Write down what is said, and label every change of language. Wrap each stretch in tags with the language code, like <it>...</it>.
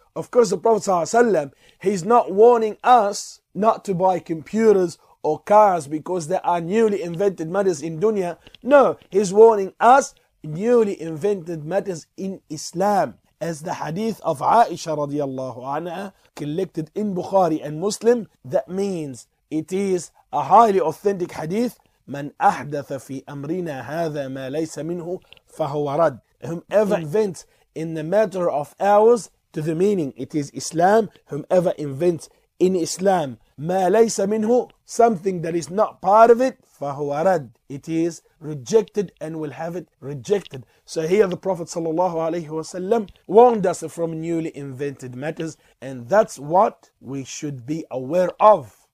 <en>Of course, the Prophet sallallahu alayhi wa sallam, he's not warning us not to buy computers or cars because there are newly invented matters in dunya. No, he's warning us newly invented matters in Islam, as the hadith of Aisha radiallahu anha collected in Bukhari and Muslim. That means it is a highly authentic hadith.</en> <ar>من أحدث في أمرنا هذا ما ليس منه فهو رد.</ar> <en>Whomever invents in the matter of ours, to the meaning it is Islam, whomever invents in Islam</en> <ar>ما ليس منه,</ar> <en>something that is not part of it,</en> <ar>فهو رد,</ar> <en>it is rejected and will have it rejected. So here the Prophet sallallahu alayhi wasallam warned us from newly invented matters, and that's what we should be aware of.</en>